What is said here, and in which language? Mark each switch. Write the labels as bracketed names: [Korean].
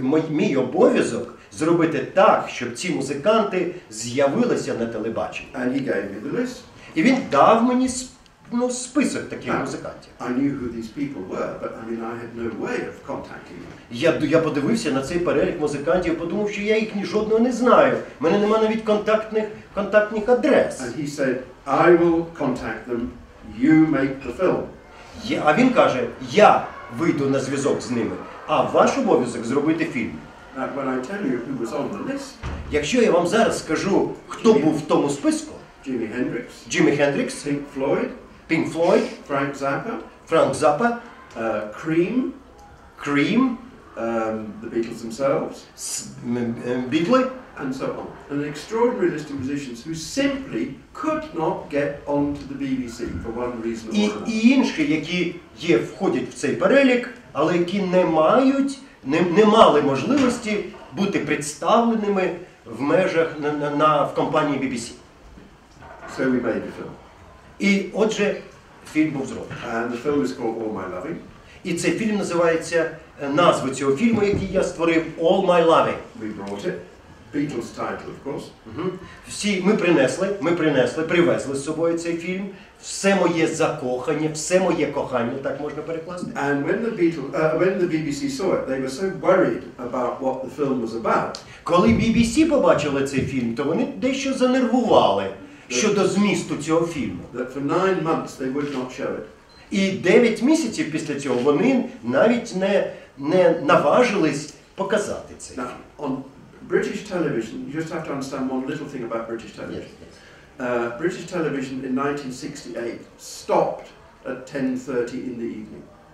[Ukrainian] Мій обов'язок зробити так, щоб ці музиканти з'явилися на телебаченні. [English] And he gave me the list. [Ukrainian] І він дав мені список таких музикантів. [English] I knew who these people were, but I mean I had no way of contacting them. [Ukrainian] Я подивився на цей перелік музикантів, подумав, що я їх ні жодного не знаю. У мене немає навіть контактних адрес. [English] And he said, I will contact them. You make the film. [Ukrainian] А він каже, я вийду на зв'язок з ними, а ваш обов'язок зробити фільм. [English] And when I tell you who was on the list, [Ukrainian] якщо я вам зараз скажу, хто був в тому списку. [English] Jimi Hendrix, Pink Floyd, Frank Zappa, Cream, the Beatles themselves, Beatles, and so on. An extraordinary list of musicians who simply could not get onto the BBC for one reason or another. [Ukrainian] І інші, які є входять в цей перелік, але які не мали можливості бути представленими в межах в компанії BBC. [English] So we made the film. [Ukrainian] І отже, фільм був зроблений. [English] And the film is called All My Loving. [Ukrainian] І цей фільм називається, назва цього фільму, який я створив, All My Loving. [English] We brought it. Beatles title, of course. Uh-huh. [Ukrainian] Всі, привезли з собою цей фільм. Все моє закохання, все моє кохання, так можна перекласти. [English] And when the Beatles, when the BBC saw it, they were so worried about what the film was about. [Ukrainian] Коли BBC побачили цей фільм, то вони дещо занервували. Щодо змісту цього фільму. [English] That for 9 months they would not show it. [Ukrainian] І 9 місяців після цього вони навіть не наважились показати цей фільм. [English] Now, on British television, you just have to understand one little thing about British television. Yes, yes. British television in 1968 stopped at 10:30 in the evening.